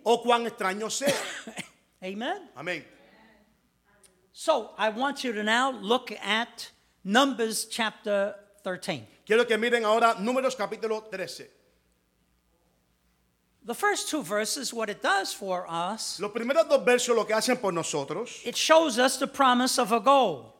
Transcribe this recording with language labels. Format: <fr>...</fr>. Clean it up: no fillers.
<es>O cuán extraño sea. Amen. Amen.</es> <en>So I want you to now look at Numbers chapter 13.</en> <es>Quiero que miren ahora Números capítulo 13.</es> <en>The first two verses, what it does for us,</en> <es>los primeros dos versos, lo que hacen por nosotros,</es> <en>it shows us the promise of a goal.</en>